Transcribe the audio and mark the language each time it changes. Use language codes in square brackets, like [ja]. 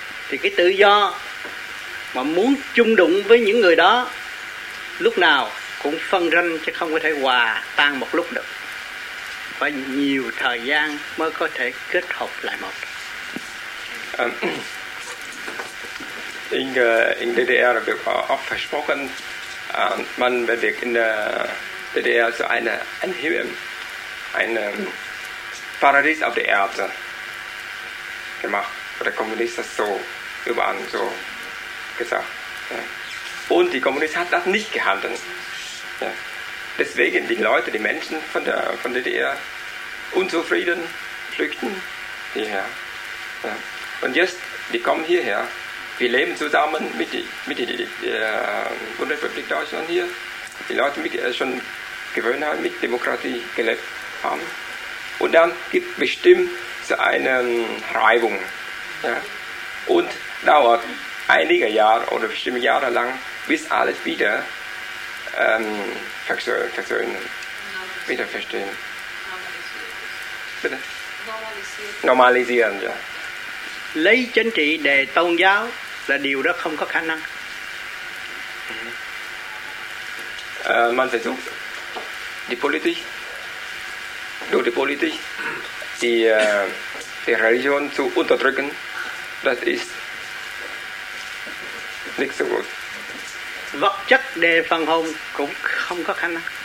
[vi] Thì cái tự do mà muốn chung đụng với những người đó lúc nào cũng phân ranh, chứ không có thể hòa tan một lúc được. Phải nhiều thời gian mới có thể kết hợp lại một. [de] In DDR wird oft versprochen, man werde in der DDR so ein Himmel, ein Paradies auf der Erde gemacht. Für die Kommunisten so überall so gesagt. Ja. Und die Kommunisten hat das nicht gehandelt. Ja. Deswegen die Leute, die Menschen von der DDR unzufrieden flüchten hierher. Ja. Und jetzt, die kommen hierher. Wir leben zusammen mit der Bundesrepublik Deutschland hier. Die Leute mit, schon gewöhnt haben, mit Demokratie gelebt haben. Und dann gibt es bestimmt so eine Reibung. Ja. Und dauert einige Jahre oder bestimmt Jahre lang, bis alles wieder versöhnen, wieder verstehen. Bitte? Normalisieren, ja. [vi] Lấy chính trị để tôn giáo là điều đó không có khả năng. [de] Man versucht die Politik, durch die Politik, die, die Religion zu unterdrücken, das ist nicht so gut. [vi] Vật chất để phần hồn cũng không có khả năng.